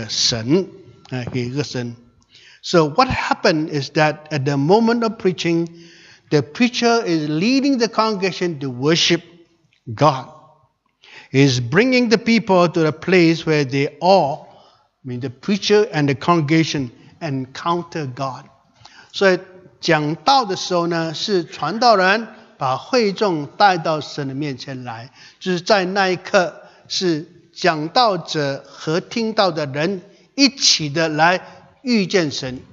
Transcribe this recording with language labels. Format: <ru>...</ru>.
<zh>所以讲道的时候是讲道的人，他用他的这个讲章，好像一个这个祭物的向神献上。那听的人呢，也是你们在这里听的时候注意的听，你们的注意听也是一个祭物献上给这个神，给一个神。</zh> <en>So what happened is that at the moment of preaching, the preacher is leading the congregation to worship God. He's bringing the people to the place where they all, I mean the preacher and the congregation, encounter God.</en> <zh>So 讲道的时候呢，是传道人把会众带到神的面前来，就是在那一刻是讲道者和听道的人一起的来遇见神。</zh>